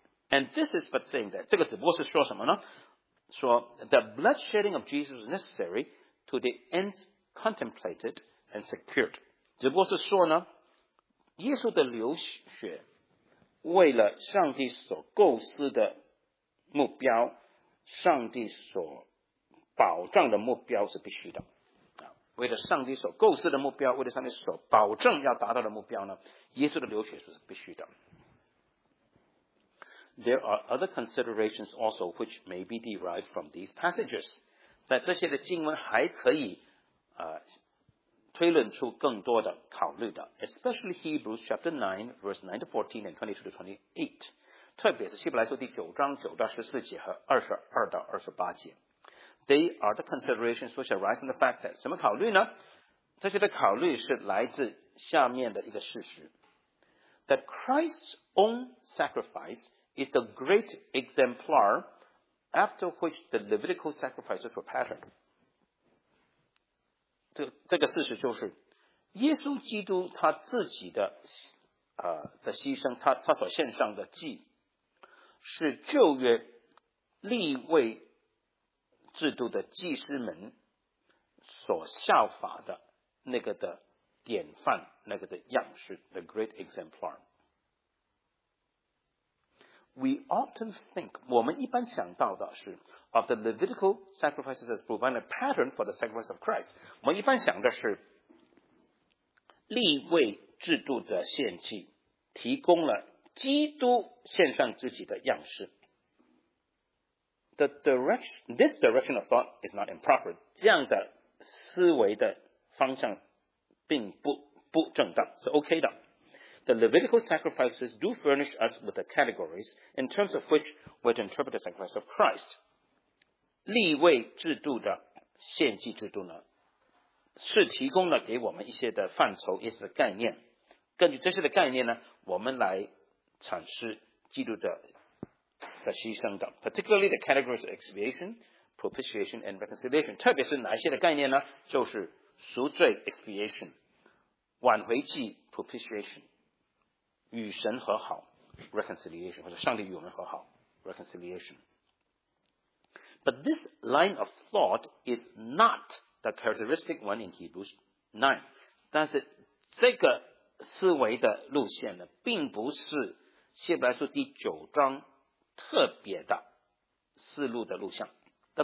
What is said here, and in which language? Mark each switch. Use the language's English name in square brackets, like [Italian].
[English] And this is but saying that, 这个只不过是说什么呢？说 the bloodshedding of Jesus is necessary to the ends contemplated and secured. [Chinese] 只不过是说呢，耶稣的流血为了上帝所构思的目标，上帝所保障的目标是必须的。为了上帝所构思的目标，为了上帝所保证要达到的目标呢，耶稣的流血是必须的。 [English] There are other considerations also which may be derived from these passages. [Chinese] 在这些的经文还可以推论出更多的考虑的。 [English] Especially Hebrews chapter 9, verse 9-14 and 22-28. [Chinese] 特别是希伯来书第九章九到十四节和22-28节。 [English] They are the considerations which arise from the fact that 什么考虑呢？ [Chinese] 这些的考虑是来自下面的一个事实。 [English] That Christ's own sacrifice is the great exemplar after which the Levitical sacrifices were patterned. [Chinese] 这个事实就是耶稣基督他自己的牺牲， 他所献上的祭是旧约立位制度的祭司们所效法的那个的典范，那个的样式， the great exemplar. [English] We often think, 我们一般想到的是 of the Levitical sacrifices as providing a pattern for the sacrifice of Christ. [Chinese] 我们一般想的是立位制度的献祭提供了基督献上自己的样式。 This direction of thought is not improper. 这样的思维的方向并不正当，是 OK 的。 [English] the Levitical sacrifices do furnish us with the categories in terms of which we're to interpret the sacrifice of Christ. [Chinese] 立位制度的献祭制度呢, 是提供了给我们一些的范畴，一些的概念。根据这些的概念呢，我们来阐释基督的牺牲的， [English] particularly the categories of expiation, propitiation, and reconciliation. [Chinese] 特别是哪一些的概念呢？就是赎罪 expiation, 挽回祭 propitiation, 与神和好 reconciliation, 或者上帝与我们和好 reconciliation. [English] But this line of thought is not the characteristic one in Hebrews 9. [Chinese] 但是这个 思维的路线呢，并不是希伯来书第九章特别的思路的路线。The